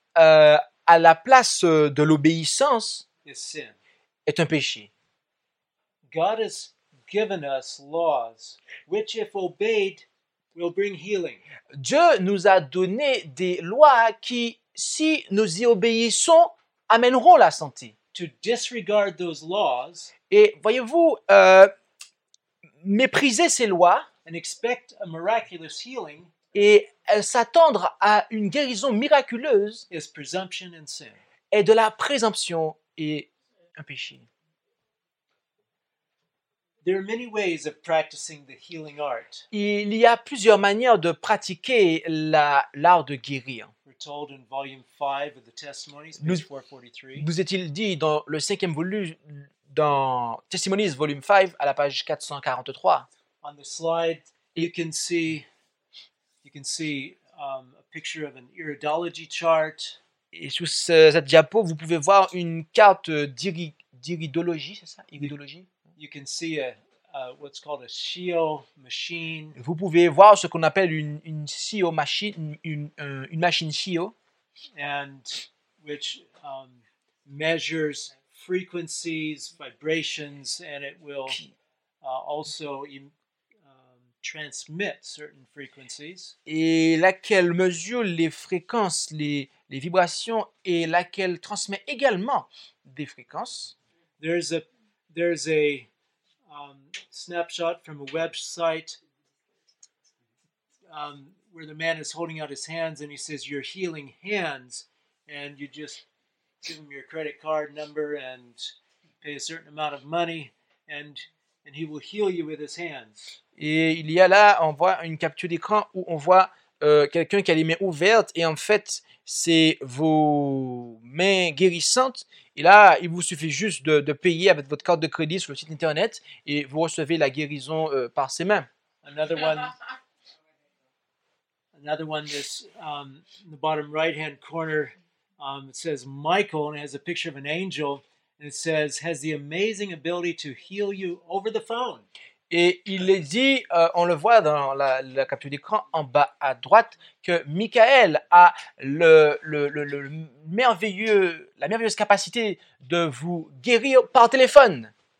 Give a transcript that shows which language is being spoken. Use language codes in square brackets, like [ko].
[fr] à la place de l'obéissance [en] is sin. [fr] Est un péché. [en] God has given us laws which, if obeyed, will bring healing. [fr] Dieu nous a donné des lois qui, si nous y obéissons, amèneront la santé. [en] To disregard those laws, [fr] et voyez-vous, mépriser ces lois [en] and expect a miraculous healing, [fr] et s'attendre à une guérison miraculeuse [en] is presumption and sin. [fr] Est de la présomption et un péché. [en] There are many ways of practicing the healing art. [fr] Il y a plusieurs manières de pratiquer la, l'art de guérir. [en] Told in volume 5 of the Testimonies, page 443. [fr] Nous est-il dit dans le cinquième volume, dans Testimonies, volume 5, à la page 443. [en] On the slide, you can see a picture of an iridology chart. [fr] Et sous ce, cette diapo, vous pouvez voir une carte d'iridologie, c'est ça? Iridologie? [en] You can see what's called a Scio machine. [fr] Vous pouvez voir ce qu'on appelle une Scio machine, une machine Scio, [en] and which measures frequencies, vibrations, and it will also transmit certain frequencies. [fr] Et laquelle mesure les fréquences, les vibrations, et laquelle transmet également des fréquences. [en] There's a snapshot from a website where the man is holding out his hands and he says, "Your healing hands," and you just give him your credit card number and pay a certain amount of money, and he will heal you with his hands. [fr] Et il y a là, on voit une capture d'écran où on voit quelqu'un qui a les mains ouvertes et en fait c'est vos mains guérissantes. Et là, il vous suffit juste de payer avec votre carte de crédit sur le site internet et vous recevez la guérison par ses mains. [en] Another one is in the bottom right-hand corner. It says Michael and it has a picture of an angel and it says has the amazing ability to heal you over the phone. [fr] Et il est dit, on le voit dans la capture d'écran en bas à droite, que Michael a la merveilleuse capacité de vous guérir par téléphone.